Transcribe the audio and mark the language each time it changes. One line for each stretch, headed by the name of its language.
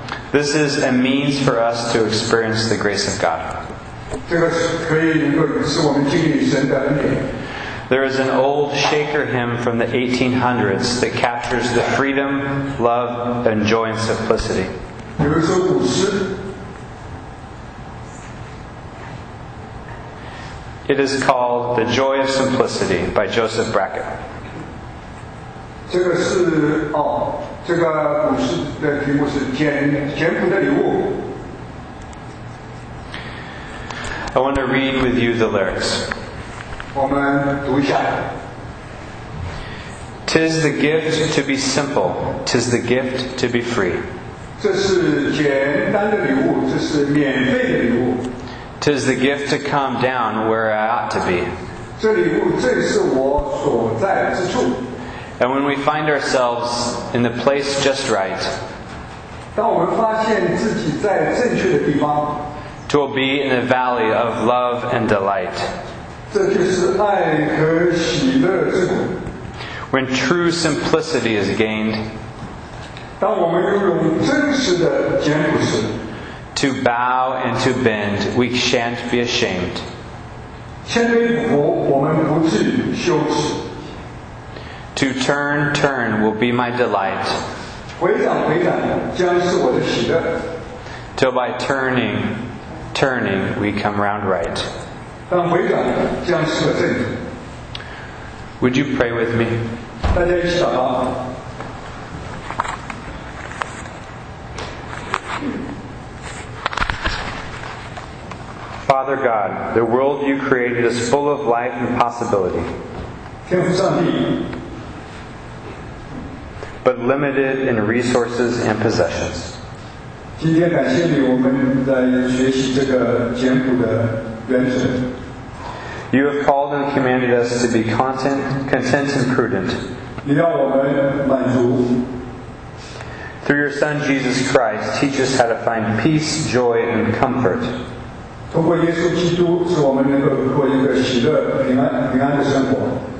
English: This is a means for us to experience the grace of God.
Chinese: 这个可以能够使我们经历神的恩典。
English: There is an old Shaker hymn from the 1800s that captures the freedom, love, and joy and simplicity.
Chinese: 有一首古诗。
English: It is called The Joy of Simplicity by Joseph Brackett.
Chinese: 这个是哦，这个古诗的题目是简朴的礼物。
English: I want to read with you the lyrics.
Chinese: 我们读一下。
English: 'Tis the gift to be simple, 'tis the gift to be free.
Chinese: 这是简单的礼物，这是免费的礼物。
English: 'Tis the gift to come down where I ought to be.
Chinese: 这礼物正是我所在之处。
English: And when we find ourselves in the place just right,
Chinese: 当我们发现自己在正确的地方,
English: 'twill be in a valley of love and delight.
Chinese: 这就是爱和喜乐之谷。
English: When true simplicity is gained,
Chinese: 当我们拥有真实的简朴时,
English: to bow and to bend, we shan't be ashamed.
Chinese: 谦卑苦, 我们不至于羞耻。
English: To turn, turn will be my delight.
Chinese: 回转回转将是我的喜乐。
English: Till by turning, turning we come round right.
Chinese: 但回转将是我正。
English: Would you pray with me?
Chinese: 大家一起祷告。
English: Father God, the world you created is full of life and possibility.
Chinese: 天父上帝。
English: But limited in resources and possessions.
Chinese: 今天感谢你，我们在学习这个简朴的原则。
English: You have called and commanded us to be content and prudent.
Chinese: 你要我们满足。
English: Through your Son Jesus Christ, teach us how to find peace, joy, and comfort.
Chinese: 通过耶稣基督，使我们能够过一个喜乐、平安的生活。